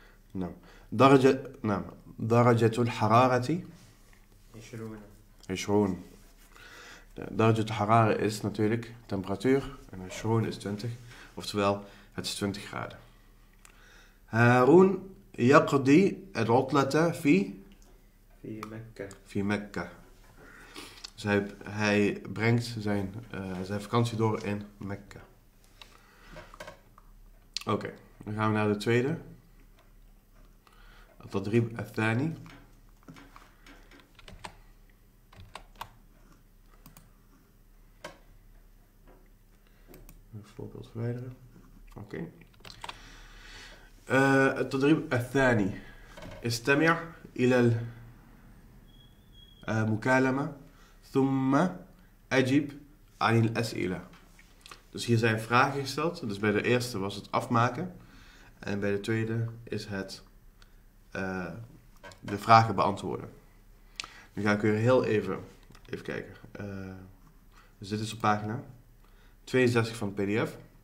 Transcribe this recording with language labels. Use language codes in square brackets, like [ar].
[ar] نعم درجة نعم درجة الحرارة 20 درجة الحرارة [nl] is natuurlijk temperatuur en 20 is 20 oftewel het is 20 graden. [ar] هارون يقضي العطلة في مكة في مكة. [nl] Hij brengt zijn vakantie door in Mekka. Oké, dan gaan we naar de tweede. [ar] التدريب الثاني [nl] فوربيلد فرايدر اوكي [ar] التدريب الثاني استمع الى المكالمه ثم اجب عن الاسئله. [nl] Dus hier zijn vragen gesteld. Dus bij de eerste was het afmaken en bij de tweede is het de vragen beantwoorden. Nu ga ik weer heel even kijken. Dus dit is op pagina 62 van het PDF.